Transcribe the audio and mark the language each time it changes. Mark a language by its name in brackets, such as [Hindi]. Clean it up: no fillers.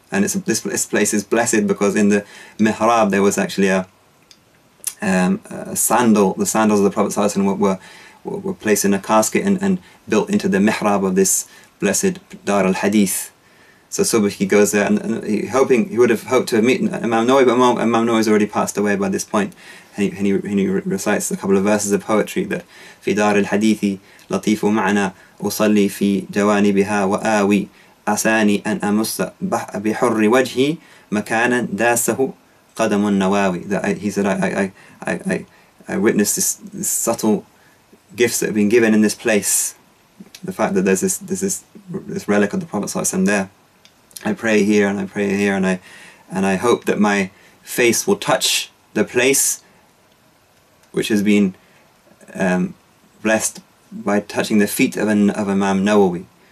[English] And this place is blessed because in the mihrab there was actually a sandal. The sandals of the Prophet sallallahu alaihi wasallam were placed in a casket and built into the mihrab of this blessed Dar al-Hadith. So Subhi goes there and he would have hoped to have met Imam Nawawi, but Imam Nawawi has already passed away by this point. And he recites a couple of verses of poetry that [Arabic] في دار الحديث لطيف معنا أصلي في جوانبها وآوي أساني أن أمس بحر وجهي مكانا داسه قدم النواوي. [English] He said, I witnessed this subtle gifts that have been given in this place. The fact that there's this relic of the Prophet صلى الله عليه وسلم there. I pray here, and I hope that my face will touch the place which has been blessed by touching the feet of an Imam Nawawi.